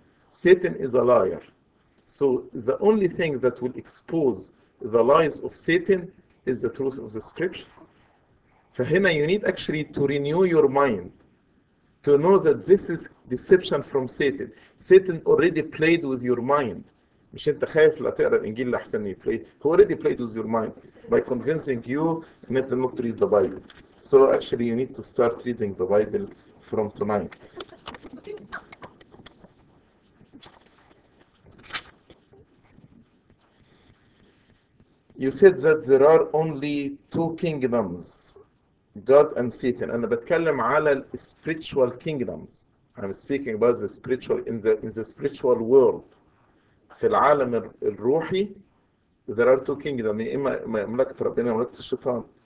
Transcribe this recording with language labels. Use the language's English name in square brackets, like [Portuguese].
[English] Satan is a liar. So the only thing that will expose the lies of Satan is the truth of the scripture. فهنا you need actually to renew your mind to know that this is deception from Satan. Satan already played with your mind. [Arabic] مش انت خايف لا تقرا الانجيل لاحسن يبلاي. [English] He already played with your mind by convincing you not to read the Bible. So actually you need to start reading the Bible from tonight. You said that there are only two kingdoms, God and Satan. [Arabic] أنا بتكلم على ال [English] spiritual kingdoms. I'm speaking about the spiritual, in the spiritual world. [Arabic] في العالم الروحي, [English] there are two kingdoms, [Arabic] إما مملكة ربنا ومملكة الشيطان.